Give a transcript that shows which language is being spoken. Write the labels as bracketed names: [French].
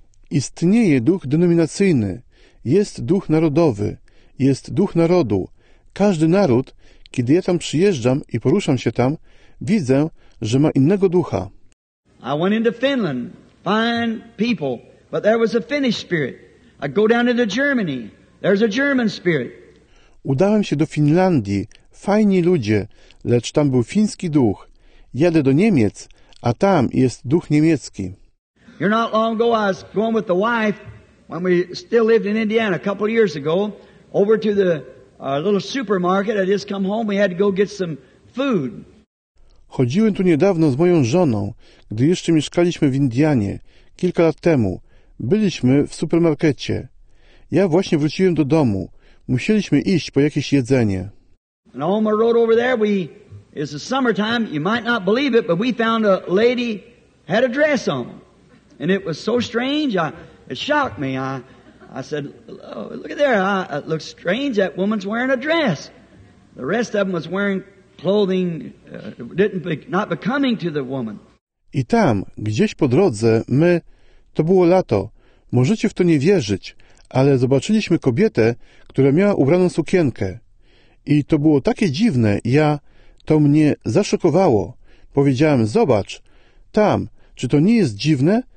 [Polish] Istnieje Duch denominacyjny. Jest duch narodowy, jest duch narodu. Każdy naród, kiedy ja tam przyjeżdżam i poruszam się tam, widzę, że ma innego ducha. [English] I went into Finland, fine people, but there was a Finnish spirit. I go down into Germany, there's a German spirit. [Polish] Udałem się do Finlandii, fajni ludzie, lecz tam był fiński duch. Jadę do Niemiec, a tam jest duch niemiecki. [English] You're not long ago, I was going with the wife. When we still lived in Indiana a couple of years ago, over to the little supermarket, I just come home, we had to go get some food. [Polish] Chodziłem tu niedawno z moją żoną, gdy jeszcze mieszkaliśmy w Indianie, kilka lat temu. Byliśmy w supermarkecie. Ja właśnie wróciłem do domu. Musieliśmy iść po jakieś jedzenie. [English] And on the road over there, it's the summertime, you might not believe it, but we found a lady had a dress on. And it was so strange, it shocked me. I said, oh, look at there, it looks strange, that woman's wearing a dress. The rest of them was wearing clothing, not becoming to the woman. [Polish] I tam, gdzieś po drodze, to było lato, możecie w to nie wierzyć, ale zobaczyliśmy kobietę, która miała ubraną sukienkę. I to było takie dziwne, to mnie zaszokowało. Powiedziałem, zobacz, tam, czy to nie jest dziwne?